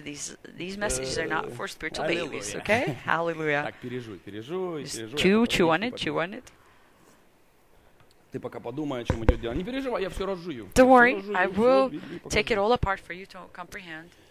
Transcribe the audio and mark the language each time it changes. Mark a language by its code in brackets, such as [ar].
[en] These messages are not for spiritual babies, okay? Hallelujah. Just chew on it. [ru] Ты пока подумай, о чем идет дело. Не переживай, я все разжую. [en] Don't worry, I will take it all apart for you to comprehend.